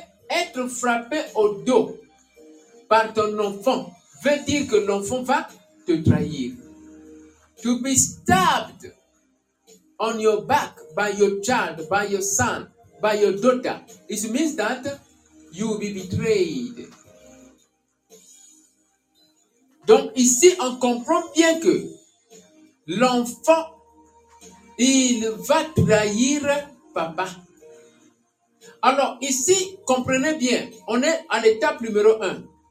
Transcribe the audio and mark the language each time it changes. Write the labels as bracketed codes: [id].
[fr] Être frappé au dos par ton enfant veut dire que l'enfant va te trahir. [en] To be stabbed on your back by your child, by your son, by your daughter, it means that you will be betrayed. [fr] Donc ici, on comprend bien que l'enfant, il va trahir papa. Alors ici, comprenez bien, on est à l'étape numéro 1.